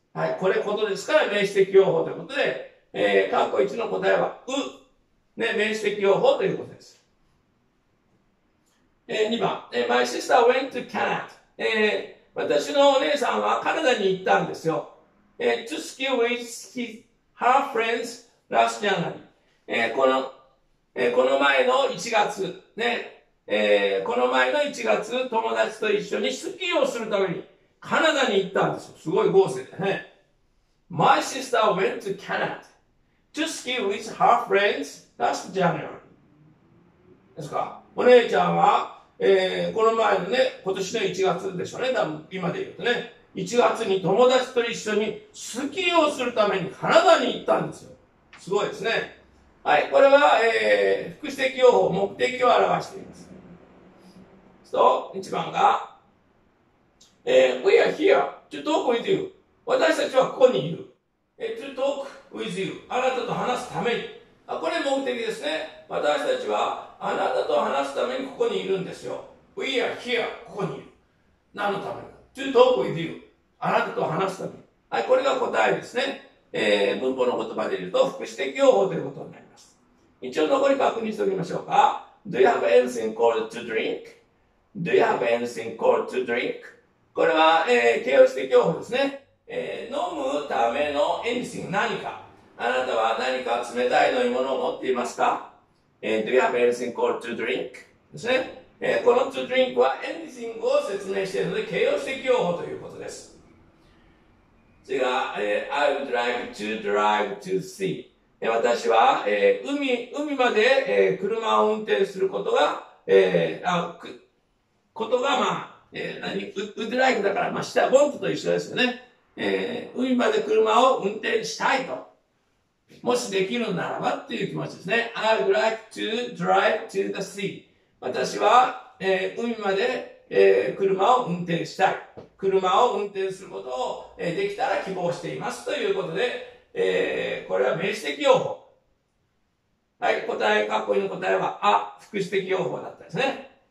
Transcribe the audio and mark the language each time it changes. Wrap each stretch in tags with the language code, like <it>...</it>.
<ja>はい、これことですから、名詞的用法ということで、括弧1の答えは、う。ね、名詞的用法ということです。</ja> <en>2番、My sister went to Canada.</en> <ja>私のお姉さんはカナダに行ったんですよ。</ja> <en>To ski with his, her friends last January.</en> <ja>この前の1月、ね、この前の1月、友達と一緒にスキーをするためにカナダに行ったんですよ。すごい豪勢でね。</ja> <en>My sister went to Canada. To ski with her friends last January.</en> <ja>ですか。お姉ちゃんは、この前のね、今年の1月でしょうね、多分今で言うとね、1月に友達と一緒にスキーをするためにカナダに行ったんですよ。すごいですね。はい、これは、副詞的用法、目的を表しています。</ja> <en>そう、1番が、We are here to talk with you.</en> <ja>私たちはここにいる。</ja> <en>To talk with you.</en> <ja>あなたと話すために。あ、これ目的ですね。私たちは、あなたと話すためにここにいるんですよ。</ja> <en>We are here,</en> <ja>ここにいる。何のために ?</ja> <en>To talk with you.</en> <ja>あなたと話すために。はい、これが答えですね。文法の言葉で言うと、副詞的用法ということになります。一応残り確認しておきましょうか。</ja> <en>Do you have anything called to drink?Do you have anything called to drink?</en> <ja>これは、形容詞的用法ですね。飲むための anything、何か。あなたは何か冷たい飲み物を持っていますか？</ja> <en>Do you have anything called to drink?</en> <ja>ですね。この to drink は anything を説明しているので、形容詞的用法ということです。</ja> <en>次が、I would like to drive to sea.</en> <ja>私は、海まで、車を運転することが、would like だから、まあ、した、want と一緒ですよね。海まで車を運転したいと。もしできるならばっていう気持ちですね。</ja> <en>I would like to drive to the sea.</en> <ja>私は、海まで、車を運転したい。車を運転することを、できたら希望していますということで、これは名詞的用法。はい、答え、括弧の答えは、あ、副詞的用法だったですね。</ja>